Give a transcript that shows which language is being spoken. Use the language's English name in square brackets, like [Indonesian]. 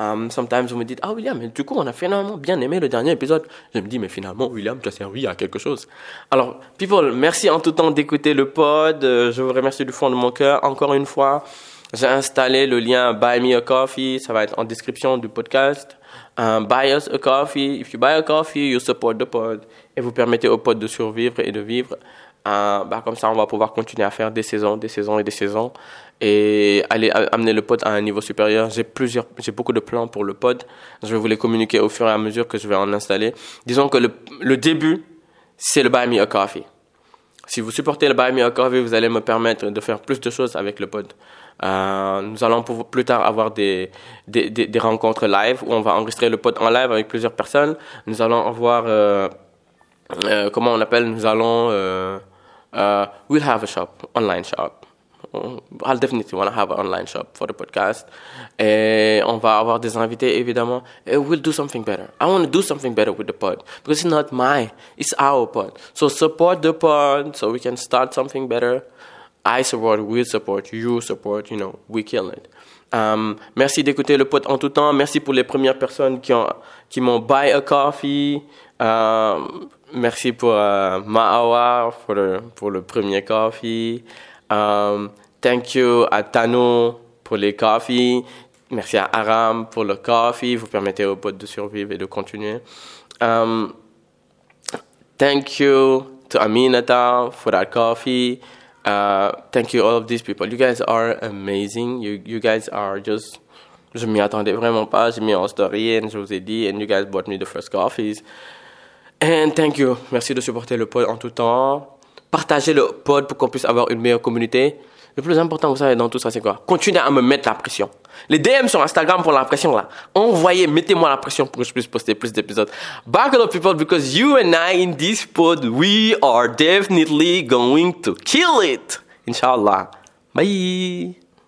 [English] Sometimes, [French] vous me dites, ah William, mais du coup, on a finalement bien aimé le dernier épisode. Je me dis, mais finalement, William, tu as servi à quelque chose. Alors, people, merci en tout temps d'écouter le pod. Je vous remercie du fond de mon cœur. Encore une fois, j'ai installé le lien Buy Me a Coffee. Ça va être en description du podcast. [English] Buy us a coffee. If you buy a coffee, you support the pod. [French] Et vous permettez au pod de survivre et de vivre. Comme ça, on va pouvoir continuer à faire des saisons et aller amener le pod à un niveau supérieur. J'ai beaucoup de plans pour le pod. Je vais vous les communiquer au fur et à mesure que je vais en installer. Disons que le début, c'est le Buy Me a Coffee. Si vous supportez le Buy Me a Coffee, vous allez me permettre de faire plus de choses avec le pod. Nous allons plus tard avoir des rencontres live où on va enregistrer le pod en live avec plusieurs personnes. Nous allons avoir... comment on appelle, nous allons [English] we'll have a shop, online shop. I'll definitely want to have an online shop for the podcast. [French] Et on va avoir des invités, évidemment. [English] And we'll do something better. I want to do something better with the pod. Because it's not my, it's our pod. So support the pod so we can start something better. I support, we support, you support, you know, we kill it. [French] Merci d'écouter le pod en tout temps. Merci pour les premières personnes qui m'ont [English] buy a coffee. [French] Merci pour Mahawa pour le premier coffee. [English] Thank you [French] à Tano pour les coffees. Merci à Aram pour le coffee. Vous permettez aux potes de survivre et de continuer. [English] Thank you to Aminata for that coffee. Thank you all of these people. You guys are amazing. You guys are just... [French] Je m'y attendais vraiment pas. J'ai mis en story et je vous ai dit. [English] And you guys bought me the first coffees. And thank you. [French] Merci de supporter le pod en tout temps. Partagez le pod pour qu'on puisse avoir une meilleure communauté. Le plus important, vous savez, dans tout ça, c'est quoi? Continuez à me mettre la pression. Les DM sur Instagram pour la pression, là. Envoyez, mettez-moi la pression pour que je puisse poster plus d'épisodes. [English] Back up, people, because you and I in this pod, we are definitely going to kill it. Inch'Allah. Bye.